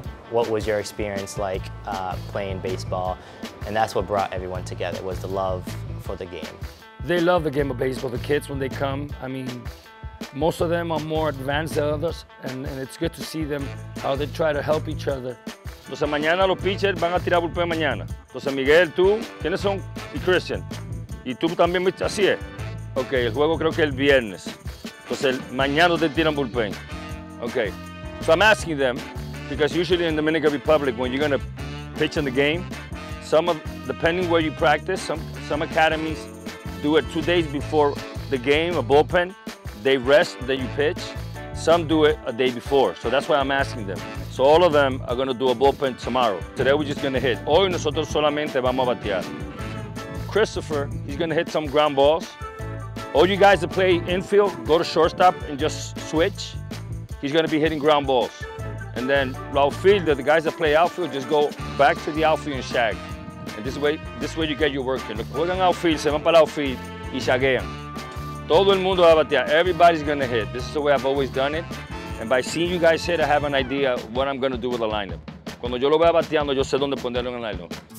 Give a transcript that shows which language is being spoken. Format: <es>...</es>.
<en>What was your experience like playing baseball? And that's what brought everyone together, was the love for the game. They love the game of baseball, the kids when they come. I mean, most of them are more advanced than others, and it's good to see them, how they try to help each other.</en> <es>Entonces mañana los pitchers van a tirar bullpen mañana. Entonces Miguel, tú, ¿quiénes son? Y Christian. Y tú también, así es. Okay, el juego creo que el viernes. Entonces mañana te tiran bullpen. Okay.</es> <en>So I'm asking them, because usually in Dominican Republic, when you're gonna pitch in the game, some of, depending where you practice, some academies do it 2 days before the game, a bullpen. They rest, then you pitch. Some do it a day before, so that's why I'm asking them. So all of them are gonna do a bullpen tomorrow. Today we're just gonna hit.</en> <es>Hoy nosotros solamente vamos a batear. Christopher,</es> <en>he's gonna hit some ground balls. All you guys that play infield, go to shortstop and just switch. He's gonna be hitting ground balls. And then outfielder, the guys that play outfield, just go back to the outfield and shag. And this way you get your work in.</en> <es>Juegan outfield, se van para outfield y shaguean. Todo el mundo va a batear.</es> <en>Everybody's gonna hit. This is the way I've always done it. And by seeing you guys hit, I have an idea of what I'm gonna do with the lineup.</en> <es>Cuando yo lo vea bateando, yo sé dónde ponerlo en el lineup.</es>